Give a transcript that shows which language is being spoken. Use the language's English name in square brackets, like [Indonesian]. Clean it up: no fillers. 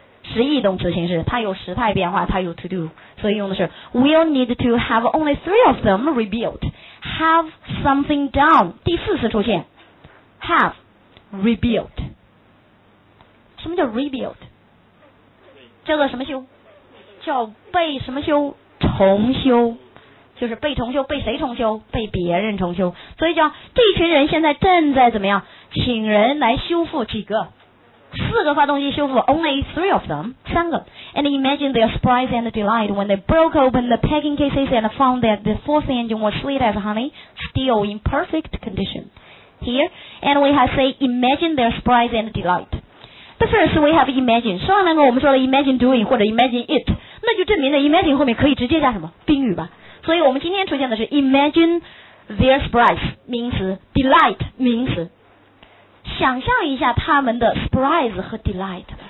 [Chinese] 实义动词形式，它有时态变化，它有 to do， 所以用的是 [English] will need to have only three of them rebuilt， [Chinese] have something done， 第四次出现 have rebuilt。什么叫 rebuild？ 叫做什么修？叫被什么修？重修，就是被重修，被谁重修？被别人重修。所以叫这群人现在正在怎么样？请人来修复几个？四个发动机修复 ，only three of them， 三个。 [English] And imagine their surprise and delight when they broke open the packing cases and found that the fourth engine was sweet as honey, still in perfect condition. Here, and we have say imagine their surprise and delight. The first we have imagine， [Chinese] 上两个我们说了 imagine doing 或者 imagine it， 那就证明了 imagine 后面可以直接加什么宾语吧。所以我们今天出现的是 imagine their surprise 名词， delight 名词，想象一下他们的 surprise 和 delight。